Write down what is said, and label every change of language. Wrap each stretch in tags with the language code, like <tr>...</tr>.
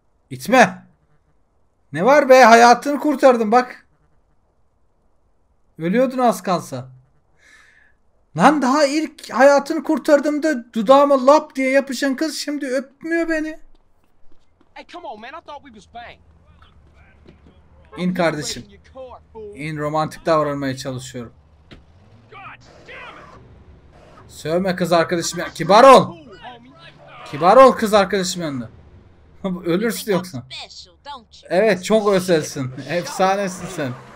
<tr>İtme. Ne var be hayatını kurtardın bak. Ölüyordun az kalsa. Lan daha ilk hayatını kurtardığımda dudağıma lap diye yapışan kız şimdi öpmüyor beni.</tr> <en>Hey, come on, man. I thought we was bang.</en> <tr>İn kardeşim. İn romantik davranmaya çalışıyorum. Sövme kız arkadaşım. Kibar ol. Kibar ol kız arkadaşım yanında. Ölürsün yoksa. Evet çok özelsin. Efsanesin sen.</tr>